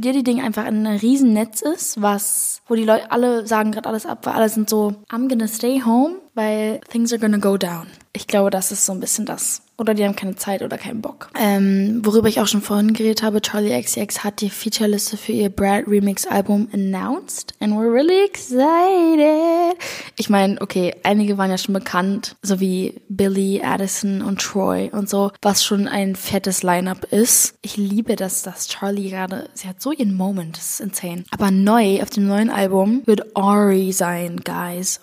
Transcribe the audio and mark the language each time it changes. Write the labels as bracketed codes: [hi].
[de] Diddy-Ding einfach ein Riesennetz ist, wo die Leute alle sagen gerade alles ab, weil alle sind so, [en] I'm gonna stay home, [de] weil [en] things are gonna go down. [de] Ich glaube, das ist so ein bisschen das. Oder die haben keine Zeit oder keinen Bock. Worüber ich auch schon vorhin geredet habe, Charli XCX hat die Featureliste für ihr Brad Remix Album announced. [en] And we're really excited. [de] Ich meine, okay, einige waren ja schon bekannt, so wie Billy, Addison und Troy und so, was schon ein fettes Line-Up ist. Ich liebe das, dass Charli gerade, sie hat so ihren Moment, das ist insane. Aber neu, auf dem neuen Album, wird Ari sein, guys.